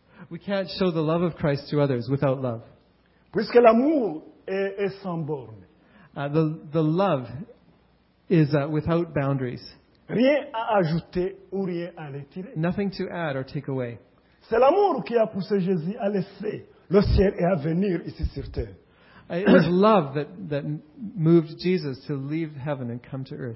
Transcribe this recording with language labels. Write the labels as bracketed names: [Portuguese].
[English] We can't show the love of Christ to others without love. [French] Puisque l'amour est sans borne. [English] The love is without boundaries. [French] Rien à ajouter ou rien à retirer. [English] Nothing to add or take away. [French] C'est l'amour qui a poussé Jésus à laisser le ciel et à venir ici sur terre. [English] It was love that moved Jesus to leave heaven and come to earth.